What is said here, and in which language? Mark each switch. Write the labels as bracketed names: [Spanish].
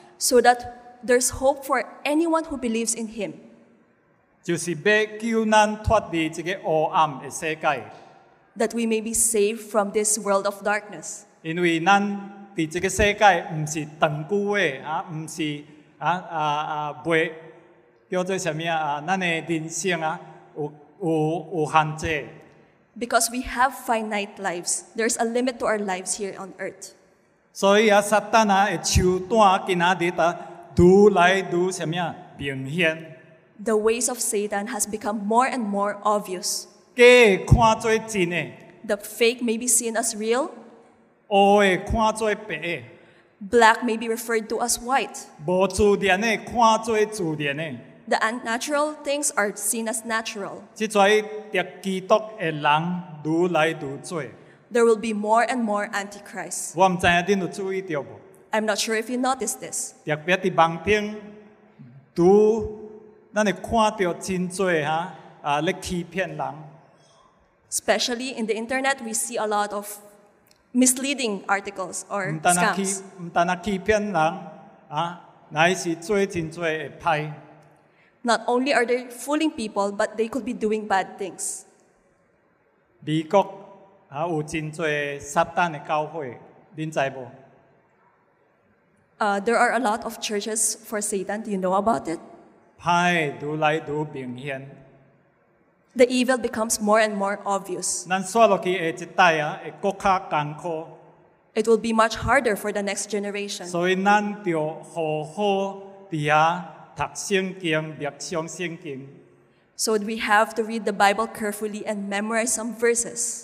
[English] So that there's hope for anyone who believes in him. [Min Nan Chinese] 就是要救咱脱离这个黑暗的世界。 [English] That we may be saved from this world of darkness. [Min Nan Chinese] 因为咱在这个世界不是长久的，不是叫做什么咱的人生有限制。 [English] Because we have finite lives, there's a limit to our lives here on earth. [Min Nan Chinese] 所以撒旦的手段今天愈来愈什么明显。 [English] The ways of Satan has become more and more obvious. [Min Nan Chinese] 假看作真的。 [English] The fake may be seen as real. [Min Nan Chinese] 黑的看作白的。 [English] Black may be referred to as white. [Min Nan Chinese] 无自然的看作自然的。 [English] The unnatural things are seen as natural. [Min Nan Chinese] 这些敌基督的人愈来愈多。 [English] There will be more and more antichrists. [Min Nan Chinese] 我不知道你有注意到吗？ [English] I'm not sure if you noticed this. [Min Nan Chinese] 特别在网顶，愈咱会看到真多咧欺骗人。 [English] Especially in the internet, we see a lot of misleading articles or scams. [Min Nan Chinese] 唔单啊欺骗人乃是做真多的歹。 [English] Not only are they fooling people, but they could be doing bad things. [Min Nan Chinese] 美国有真多撒旦的教会，您知无？ [English] There are a lot of churches for Satan. Do you know about it? [Min Nan Chinese] 歹愈来愈明显。 [English] The evil becomes more and more obvious. [Min Nan Chinese] 咱刷落去下一代会更加艰苦。 [English] It will be much harder for the next generation. [Min Nan Chinese] 所以咱要好好地啊。读圣经，默想圣经。 [English] So we have to read the Bible carefully and memorize some verses.